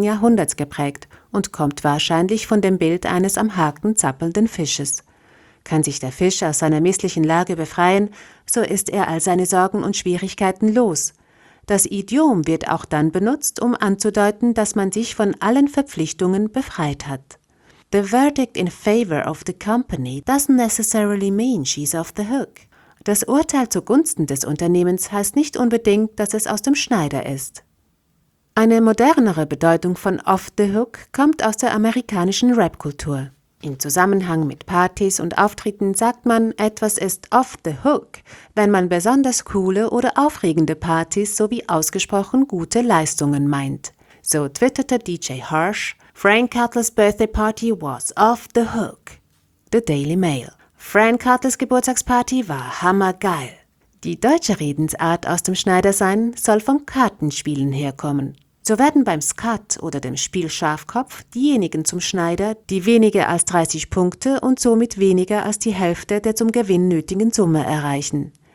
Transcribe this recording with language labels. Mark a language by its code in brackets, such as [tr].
[de] Jahrhunderts geprägt und kommt wahrscheinlich von dem Bild eines am Haken zappelnden Fisches. Kann sich der Fisch aus seiner misslichen Lage befreien, so ist er all seine Sorgen und Schwierigkeiten los. Das Idiom wird auch dann benutzt, um anzudeuten, dass man sich von allen Verpflichtungen befreit hat. [en] The verdict in favor of the company doesn't necessarily mean she's off the hook. [de] Das Urteil zugunsten des Unternehmens heißt nicht unbedingt, dass es aus dem Schneider ist. Eine modernere Bedeutung von [en] off the hook [de] kommt aus der amerikanischen Rap-Kultur. Im Zusammenhang mit Partys und Auftritten sagt man, etwas ist [en] off the hook, [de] wenn man besonders coole oder aufregende Partys sowie ausgesprochen gute Leistungen meint. So twitterte [en] DJ Harsh, Frank Cutler's birthday party was off the hook. [de] The Daily Mail. Frank Cutler's Geburtstagsparty war hammergeil. Die deutsche Redensart aus dem Schneidersein soll vom Kartenspielen herkommen. So werden beim Skat oder dem Spiel Schafkopf diejenigen zum Schneider, die weniger als 30 Punkte und somit weniger als die Hälfte der zum Gewinn nötigen Summe erreichen.